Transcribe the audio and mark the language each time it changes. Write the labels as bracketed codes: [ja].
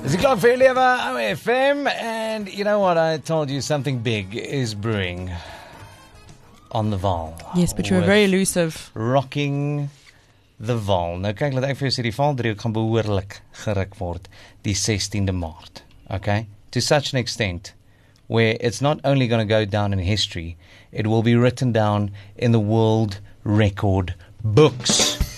[en] It's the Club for your lever, OFM, and you know what? I told you something big is brewing on the Vaal. Yes, but you were very elusive. Rocking the Vaal. [af] Nou kyk, laat ek vir jou sê, die Vaal driehoek gaan behoorlik geruk word die 16de Maart. [en] Okay? To such an extent where it's not only going to go down in history, it will be written down in the world record books.